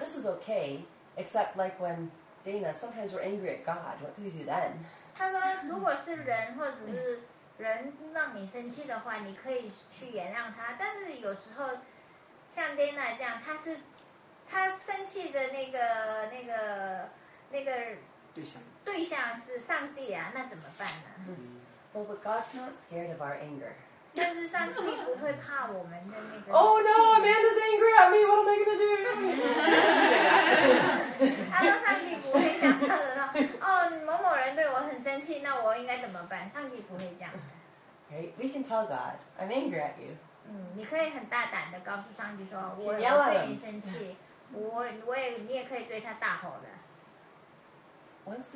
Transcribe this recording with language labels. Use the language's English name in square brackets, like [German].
[English] this is okay, except like when Dana, sometimes we're angry at God. What do we do then? [Chinese] 他说，如果是人或者是 人让你生气的话，你可以去原谅他。但是有时候，像 Dana 这样，他生气的那个对象是上帝啊，那怎么办呢？ [English] Well, but God's not scared of our anger. [Chinese] 但是上帝不会怕我们的那个。 [English] Oh no, Amanda's angry at me. What am I going to do? [Chinese] 他说上帝不会像他的说，哦，某某人对我很生气，那我应该怎么办？上帝不会这样。 [English] Right? We can tell God, I'm angry at you. [Chinese] 你可以很大胆的告诉上帝说，我也会生气，你也可以对他大吼的。 [English] Once